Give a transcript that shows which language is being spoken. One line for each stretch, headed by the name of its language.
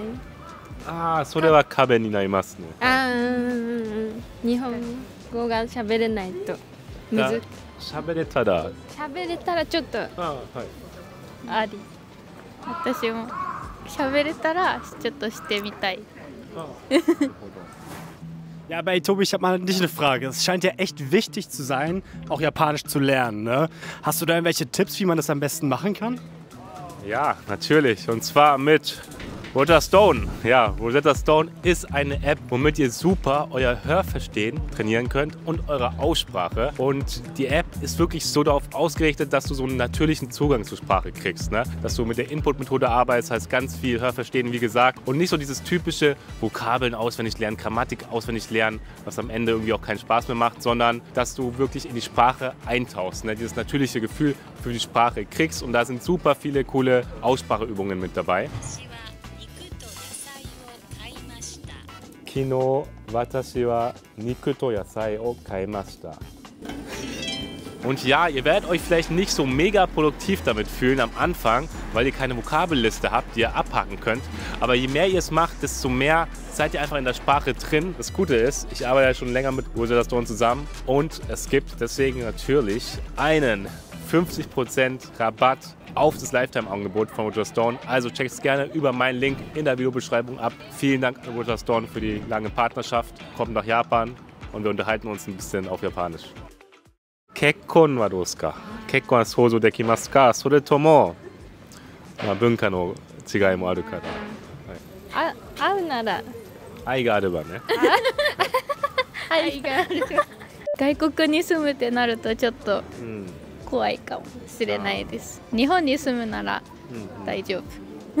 Japanese: はい、ああ、それは壁になりますね。はい、ああ、日本語が喋れないと水。喋れたら。喋れたらちょっと。あ、はい、あり。私も喋れたらちょっとしてみたい。
German: Ja, aber ey, Tobi, ich habe mal dich eine Frage. Es scheint ja echt wichtig zu sein, auch Japanisch zu lernen, ne? Hast du da irgendwelche Tipps, wie man das am besten machen kann? Ja, natürlich. Und zwar mit Rosetta Stone. Ja, Rosetta Stone ist eine App, womit ihr super euer Hörverstehen trainieren könnt und eure Aussprache. Und die App ist wirklich so darauf ausgerichtet, dass du so einen natürlichen Zugang zur Sprache kriegst, ne? Dass du mit der Input-Methode arbeitest, heißt ganz viel Hörverstehen, wie gesagt. Und nicht so dieses typische Vokabeln auswendig lernen, Grammatik auswendig lernen, was am Ende irgendwie auch keinen Spaß mehr macht, sondern dass du wirklich in die Sprache eintauchst, ne? Dieses natürliche Gefühl für die Sprache kriegst. Und da sind super viele coole Ausspracheübungen mit dabei.
Japanese: 昨日私は肉と野菜を買いました。
German: Und ja, ihr werdet euch vielleicht nicht so mega produktiv damit fühlen am Anfang, weil ihr keine Vokabelliste habt, die ihr abhaken könnt. Aber je mehr ihr es macht, desto mehr seid ihr einfach in der Sprache drin. Das Gute ist, ich arbeite ja schon länger mit Rosetta Stone zusammen und es gibt deswegen natürlich einen 50% Rabatt auf das Lifetime-Angebot von Rosetta Stone. Also check es gerne über meinen Link in der Videobeschreibung ab. Vielen Dank an Rosetta Stone für die lange Partnerschaft. Kommt nach Japan und wir unterhalten uns ein bisschen auf Japanisch.
Japanese: 結婚はどうですか？結婚は想像できますか？それとも、まあ、文化の違いもあるから、はい、あ、会うなら愛があればね愛がある外国に住むってなるとちょっと怖いかもしれないです、うん、日本に住むなら大丈夫、